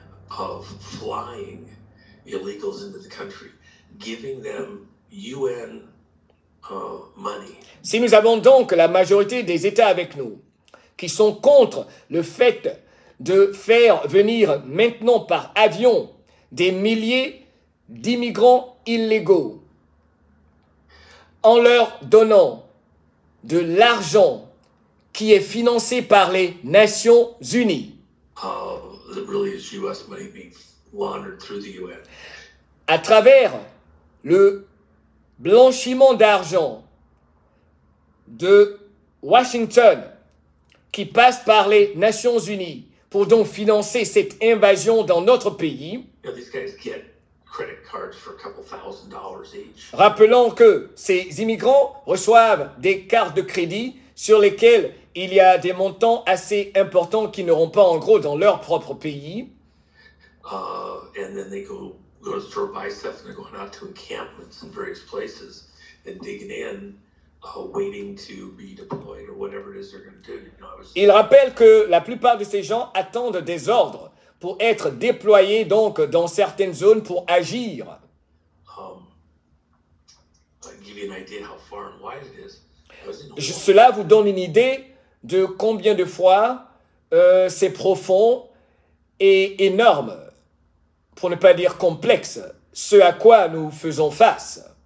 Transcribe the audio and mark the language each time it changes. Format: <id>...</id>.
<en>of flying illegals into the country, giving them UN money.</en> <fr>Si nous avons donc la majorité des États avec nous qui sont contre le fait de faire venir maintenant par avion des milliers d'immigrants illégaux en leur donnant de l'argent qui est financé par les Nations Unies.</fr> <en>Really is US money being laundered through the UN.</en> <fr>À travers le blanchiment d'argent de Washington qui passe par les Nations Unies pour donc financer cette invasion dans notre pays.</fr> <en>You know, these guys get credit cards for a couple thousand dollars each.</en> <fr>Rappelons que ces immigrants reçoivent des cartes de crédit sur lesquelles il y a des montants assez importants qui n'auront pas en gros dans leur propre pays.</fr> <en>And then they go to biceps and they're going out to encampments in various places and digging in, waiting to be deployed or whatever it is they're going to do. You know,</en> <fr>il rappelle que la plupart de ces gens attendent des ordres pour être déployés donc dans certaines zones pour agir.</fr> <en>I'll give you an idea how far and wide it is.</en> <fr>Cela vous donne une idée de combien de fois c'est profond et énorme, pour ne pas dire complexe, ce à quoi nous faisons face.</fr>